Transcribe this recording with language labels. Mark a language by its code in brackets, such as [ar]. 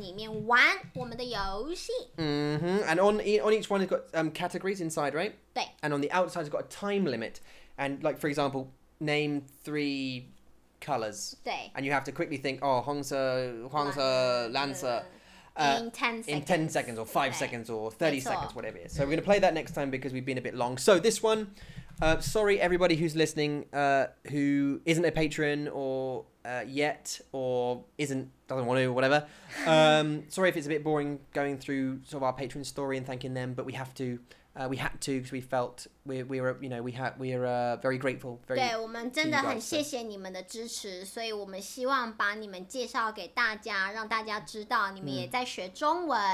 [zh] 没错，我们会在下一个广播里面玩我们的游戏。 Mm-hmm. [en] And on each one, it's got categories inside, right? [zh] 对. [en] And on the outside, it's got a time limit. And like, for example, name three colours. [zh] 对. [en] And you have to quickly think, oh, [zh] 红色, 黄色, 蓝色. [en] In 10 seconds or 5 okay. seconds or 30 [zh] 没错. [en] Seconds, whatever it is. So we're going to play that next time because we've been a bit long. So this one, sorry everybody who's listening who isn't a patron or yet or doesn't want to or whatever. sorry if it's a bit boring going through sort of our patron story and thanking them, but we had to because we felt we are very grateful. Very [zh] 对，我们真的很谢谢你们的支持， 所以我们希望把你们介绍给大家， 让大家知道你们也在学中文。